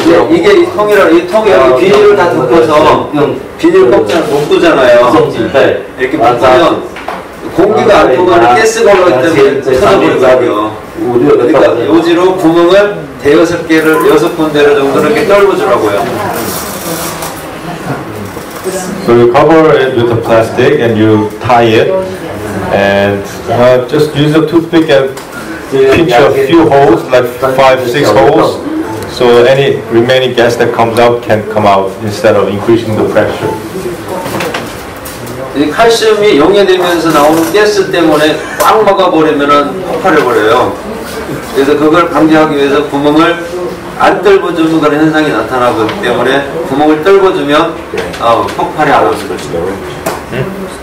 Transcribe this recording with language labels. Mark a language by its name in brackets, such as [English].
[Korean] 이게 이 통이라 이 통에 비닐을 다 덮어서 비닐 꼭지를 묶잖아요. 이렇게 묶으면 공기가 안 통하는 가스가 올라오기 때문에 틀어버리거든요. 그러니까 요지로 구멍을 6군데를 정도 이렇게 떨궈주라고요. [English] So you cover it with a plastic and you tie it and just use a toothpick and pinch a few holes, like 5-6 holes. So any remaining gas that comes out can come out instead of increasing the pressure. [Korean] 이 칼슘이 용해되면서 나오는 가스 때문에 꽉 막아버리면은 폭발해버려요. 그래서 그걸 방지하기 위해서 구멍을 안 뚫어주는 그런 현상이 나타나기 때문에 구멍을 뚫어주면 폭발이 안 오는 거죠.